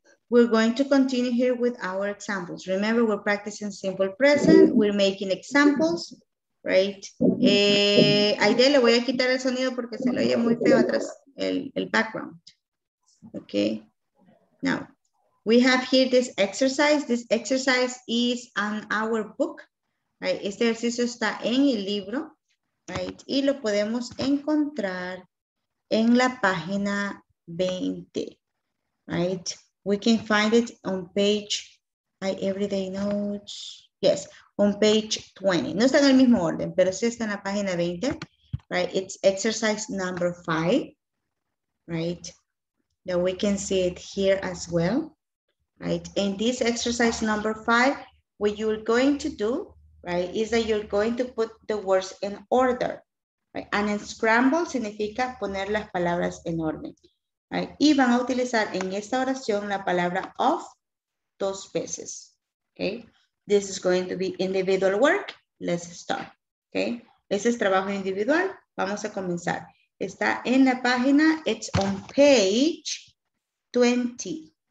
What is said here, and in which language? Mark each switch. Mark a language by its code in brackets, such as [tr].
[en] We're going to continue here with our examples. Remember, we're practicing simple present. We're making examples, right? [es] Aide, le voy a quitar el sonido porque se lo oye muy feo atrás, el background. [en] Okay, now. We have here this exercise. This exercise is on our book, right? [es] Este ejercicio está en el libro, right? Y lo podemos encontrar en la página 20, right? [en] We can find it on page, my everyday notes. [es] Yes, on page 20. No está en el mismo orden, pero sí está en la página 20, right? [en] It's exercise number 5, right? Now we can see it here as well. Right, and this exercise number 5, what you're going to do, right, is that you're going to put the words in order, right? And in scramble [es] significa poner las palabras en orden, right? Y van a utilizar en esta oración la palabra of 2 veces, okay? [en] This is going to be individual work. Let's start, okay? [es] Ese es trabajo individual. Vamos a comenzar. Está en la página, [en] it's on page 20.